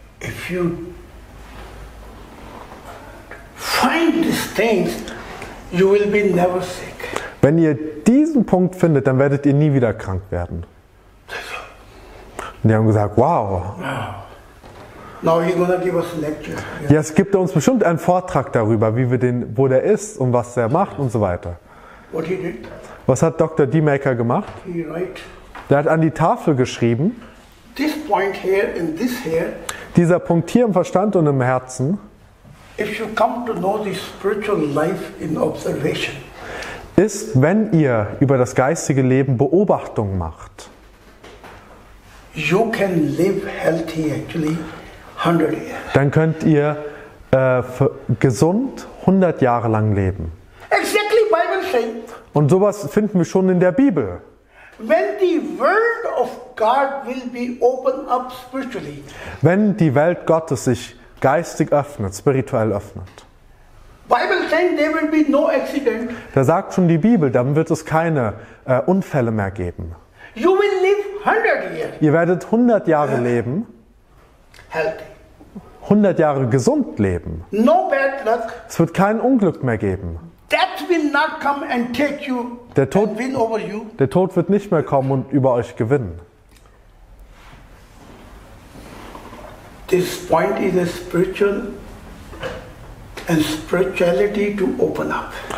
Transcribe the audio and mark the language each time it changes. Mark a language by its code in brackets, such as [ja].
[en] If you find these things, you will be never sick. [de] Wenn ihr diesen Punkt findet, dann werdet ihr nie wieder krank werden. Und die haben gesagt, wow. [en] Now he's gonna give us a lecture. [de] Jetzt gibt er uns bestimmt einen Vortrag darüber, wie wir wo der ist und was der macht und so weiter. [en] What he did? [de] Was hat Dr. D-Maker gemacht? Der hat an die Tafel geschrieben, [en] this point here and this here, [de] dieser Punkt hier im Verstand und im Herzen, [en] if you come to know the spiritual life in observation, [de] ist, wenn ihr über das geistige Leben Beobachtung macht, [en] you can live healthy actually. [de] Dann könnt ihr gesund 100 Jahre lang leben. [en] Exactly, Bible says. [de] Und sowas finden wir schon in der Bibel. [en] When the word of God will be open up spiritually. [de] Wenn die Welt Gottes sich geistig öffnet, spirituell öffnet. [en] Bible says there will be no accident. [de] Da sagt schon die Bibel, dann wird es keine Unfälle mehr geben. [en] You will live 100 years. [de] Ihr werdet 100 Jahre leben. [en] Healthy. [de] 100 Jahre gesund leben. [en] No bad luck. [de] Es wird kein Unglück mehr geben. [en] Death will not come and take you. [de] Der Tod, [en] and win over you. [de] Der Tod wird nicht mehr kommen und über euch gewinnen. [en] This point is a spiritual and spirituality to open up.